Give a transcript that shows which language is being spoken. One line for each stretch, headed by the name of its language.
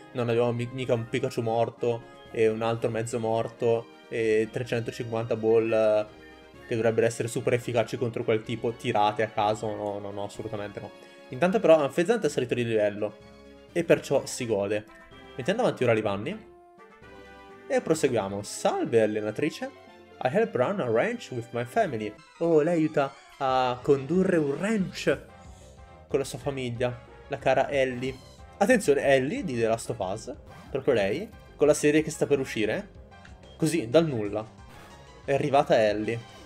Italian: Non avevamo mica un Pikachu morto e un altro mezzo morto e 350 ball che dovrebbero essere super efficaci contro quel tipo tirate a caso. No, no, no, assolutamente no. Intanto però Amphizant è salito di livello e perciò si gode. Mettendo avanti ora i panni. E proseguiamo. Salve allenatrice.
English: I help run a ranch with my family.
Italian: Oh, lei aiuta a condurre un ranch con la sua famiglia, la cara Ellie. Attenzione, Ellie di The Last of Us, proprio lei, con la serie che sta per uscire. Così, dal nulla, è arrivata Ellie.